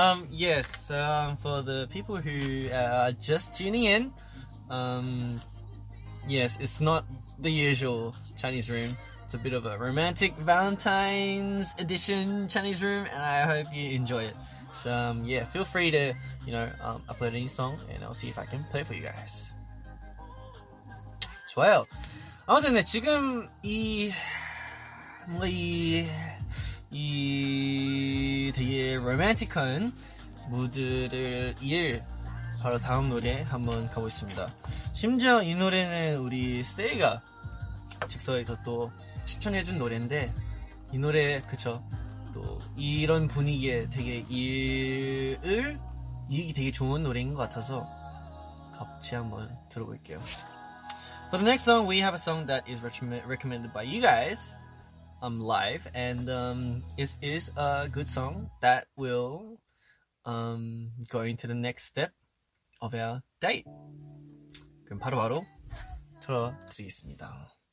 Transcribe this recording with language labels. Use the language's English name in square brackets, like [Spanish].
[English] yes, so for the people who are just tuning in, yes, it's not the usual Chinese room. It's a bit of a romantic Valentine's edition Chinese room, and I hope you enjoy it. So yeah, feel free to, you know, upload any song, and I'll see if I can play for you guys. [Korean] 좋아요. 아무튼 네, 지금 이 뭔가 이 되게 로맨틱한 무드를 이을 바로 다음 노래 한번 가보겠습니다. 심지어 이 노래는 우리 스테이가 즉석에서 또 추천해준 노래인데 이 노래 그쵸 또 이런 분위기에 되게 이을 이익이 되게 좋은 노래인 것 같아서 같이 한번 들어볼게요. [English] For the next song, we have a song that is recommended by you guys live, and it is a good song that will go into the next step of our date. [Korean] 그럼 바로 틀어드리겠습니다.